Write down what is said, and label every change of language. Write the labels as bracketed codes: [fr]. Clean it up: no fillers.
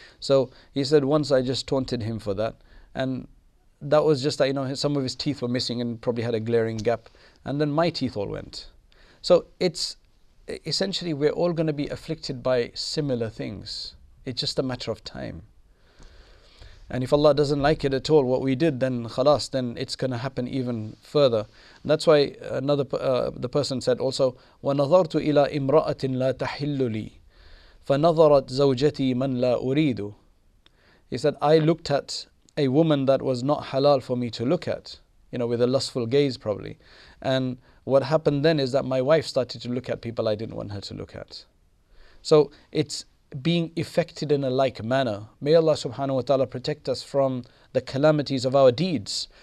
[en] So he said, once I just taunted him for that, and that was just that, you know, some of his teeth were missing and probably had a glaring gap. And then my teeth all went. So it's essentially we're all going to be afflicted by similar things. It's just a matter of time. And if Allah doesn't like it at all, what we did, then khalas, then it's going to happen even further. And that's why another the person said also, [ar] وَنَظَرْتُ إِلَىٰ إِمْرَأَةٍ لَا تَحِلُّ لِي فَنَظَرَتْ زَوْجَتِي مَنْ لَا أُرِيدُ. [en] He said, I looked at a woman that was not halal for me to look at, you know, with a lustful gaze probably. And what happened then is that my wife started to look at people I didn't want her to look at. So it's being affected in a like manner. May Allah subhanahu wa ta'ala protect us from the calamities of our deeds.